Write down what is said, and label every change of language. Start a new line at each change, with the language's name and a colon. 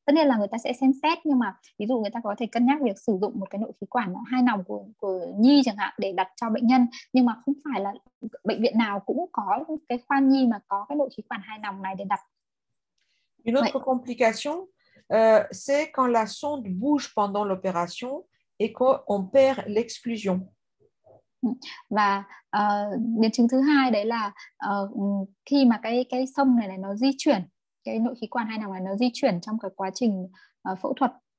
Vietnamese: Tất nhiên là người ta sẽ xem xét, nhưng mà ví dụ người ta có thể cân nhắc việc sử dụng một cái nội khí quản hai nòng của Nhi chẳng hạn để đặt cho bệnh nhân, nhưng mà không phải là bệnh viện nào cũng có cái khoa Nhi mà có cái nội khí quản hai nòng này để đặt.
French: Une autre complication, c'est quand la sonde bouge pendant l'opération et qu'on perd l'exclusion.
Vietnamese: Và biến chứng thứ hai đấy là khi mà cái sông này nó di chuyển, cái nội khí quản hai nòng này nó di chuyển trong cái quá trình phẫu thuật.